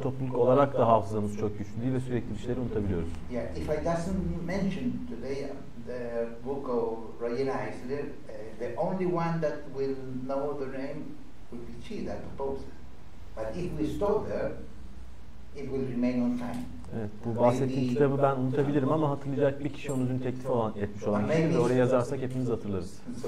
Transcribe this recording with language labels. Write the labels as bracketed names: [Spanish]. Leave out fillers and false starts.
[Turkish] Topluluk olarak da hafızamız çok güçlü değil ve sürekli bir şeyleri unutabiliyoruz. [English] Yeah, if I doesn't mention today the book of Rayen Eisler, the only one that will know the name would be she that proposes. But if we stop there, it will remain on time. [Turkish] Evet, bu bahsettiğim kitabı ben unutabilirim ama hatırlayacak bir kişi onun teklif olan etmiş olan kişi ve oraya yazarsak hepimiz hatırlarız.